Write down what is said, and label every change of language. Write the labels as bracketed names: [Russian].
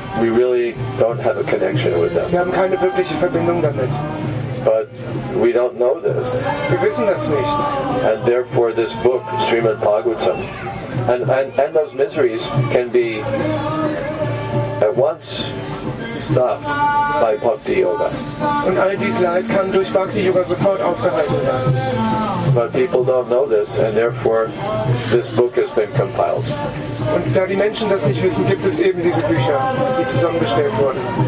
[English] We really don't have a connection with them. [German] Wir haben keine wirkliche Verbindung damit. [English] But we don't know this. [German] Wir wissen das nicht. [English] And therefore this book, Srimad Bhagavatam, and those miseries can be at once stopped by Bhakti Yoga. [German] Und all dies Leid kann durch Bhakti Yoga sofort aufgehalten werden. [English] But people don't know this, and therefore this book has been compiled. [German] Und da die Menschen das nicht wissen, gibt es eben diese Bücher, die zusammengestellt wurden.